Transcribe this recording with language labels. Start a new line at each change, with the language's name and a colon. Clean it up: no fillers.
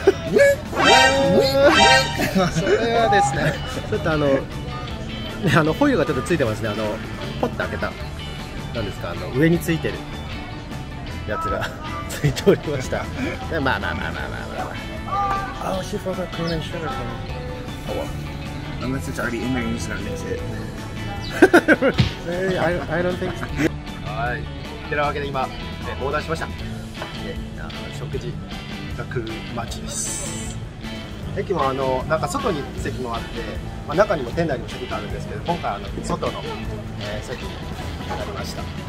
Japanese: それはですね。ちょっとあの。ね、あのホイルがちょっとついてますね、あのポッと開けた、なんですか、あの上についてるやつがついておりました。で、まあまあまあまあまあまあ、
English: oh, she forgot cream and sugar for me. Oh well. Unless it's already in there, you just gotta mix it. I don't think so.
Japanese: はい、てなわけで今、オーダーしました。あの食事が来る街です。駅もあのなんか外に席もあって、まあ、中にも店内にも席があるんですけど、今回あの外の、席になりました。